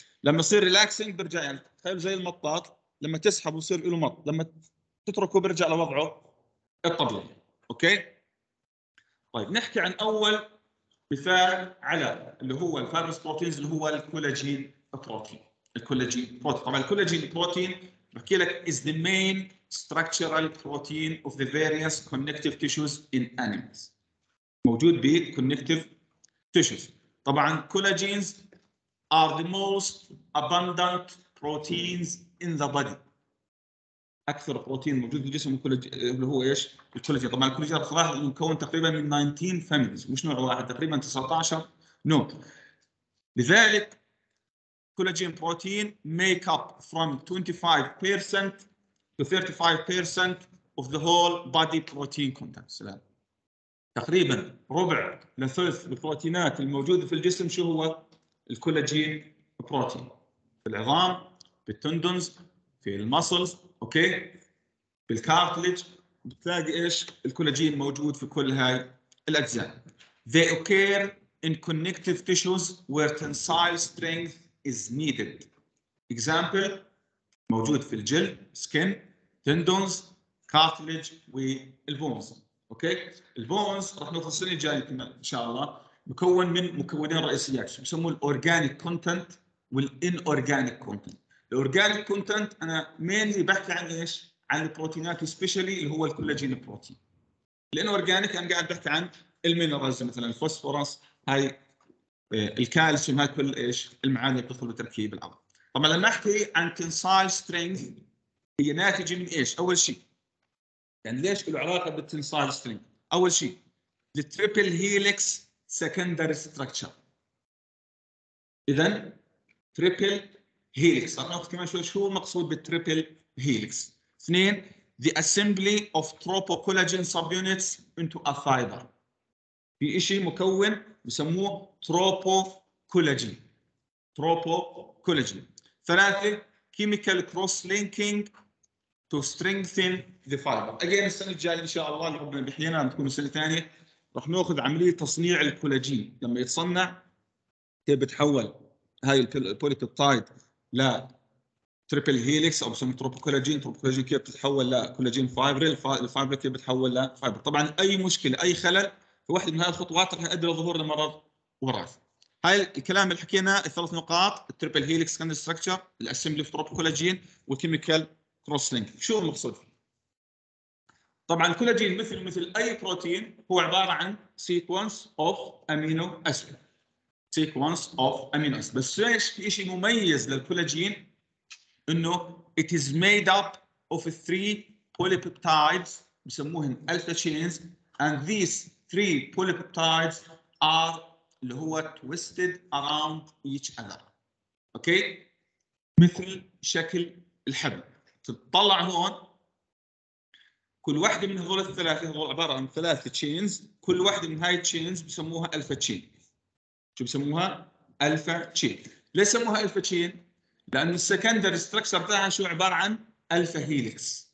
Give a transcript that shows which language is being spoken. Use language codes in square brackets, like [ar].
[ar] لما يصير ريلاكسنج برجع يعني تخيل زي المطاط لما تسحب يصير له مط، لما تتركه برجع لوضعه الطبيعي. اوكي طيب نحكي عن اول مثال على اللي هو الفايبرس بروتينز اللي هو الكولاجين بروتين. الكولاجين بروتين طبعا الكولاجين بروتين بحكي لك [en] is the main structural protein of the various connective tissues in animals. [ar] موجود بـ connective tissues. [en] طبعاً collagens are the most abundant proteins in the body. [ar] أكثر بروتين موجود في الجسم اللي هو إيش؟ الكولاجين. طبعاً الكولاجين بصراحة مكون تقريباً من 19 families. مش نوع واحد تقريباً 19 نوع. [en] لذلك collagen protein make up from 25% to 35% of the whole body protein content. [ar] تقريبا ربع لثلث البروتينات الموجوده في الجسم شو هو الكولاجين بروتين، في العظام، في التندونز، في المسلز، اوكي بالكارتليج بتلاقي ايش الكولاجين موجود في كل هاي الأجزاء. [en] They occur in connective tissues where tensile strength is needed. [ar] Example, موجود في الجلد, skin, tendons, cartilage, والبونز. Okay, البونز راح نفصلني جاي إن شاء الله مكون من مكونين رئيسيات يسمون organic content والinorganic content. الorganic content أنا mainly بحكي عن إيش؟ عن البروتينات especially اللي هو الكولاجين البروتين. الانorganic أنا قاعد بحكي عن المينرالز مثلا الفوسفورس هاي الكالسيوم هاي كل ايش المعادن بتدخل بتركيب العظم. طبعا لما احكي عن tensile strength هي ناتجه من ايش؟ اول شيء يعني ليش له علاقه بالtensile strength؟ اول شيء التريبل هيليكس سكندري ستراكشر. اذا تريبل هيليكس انا قلت كمان شوي شو مقصود بالتريبل هيليكس. [en] اثنين the assembly of tropocollagen subunits into a fiber. [ar] في إشي مكون يسموه tropocollagen. [en] tropocollagen. ثلاثة chemical cross linking to strengthen the fiber. [ar] Again السنة الجاية إن شاء الله اللي ربنا بيحيينا عم تكون سنة ثانية رح نأخذ عملية تصنيع الكولاجين. لما يتصنع هي بتحول هاي البوليبيبتايد لا تريبل هيليكس او بسموه تروبوكولاجين. تروبوكولاجين كيف بتتحول لكولاجين فايبر. الفايبر كيف بتتحول لفايبر. طبعا اي مشكله اي خلل في واحده من هذه الخطوات راح يؤدي لظهور المرض وراث. هاي الكلام اللي حكيناه الثلاث نقاط التريبل هيليكس كان ستراكشر الاسمبلي في تروبوكولاجين والكيميكال كروس لينك. شو المقصود طبعا الكولاجين مثل اي بروتين هو عباره عن سيكونس اوف امينو اسيد. [en] Sequence of amino acid. [ar] بس ايش في شيء مميز للكولاجين انه [en] it is made up of three polypeptides بسموهن alpha chains and these three polypeptides are اللي هو twisted around each other. [ar] اوكي مثل شكل الحبل تطلع هون كل واحده من هذول الثلاثه هذول عباره عن ثلاث chains كل واحده من هاي chains بسموها alpha chain. شو بسموها alpha chain. ليه سموها alpha chain؟ لأن السكندر ستراكشر بتاعها شو عبارة عن ألفا هيليكس.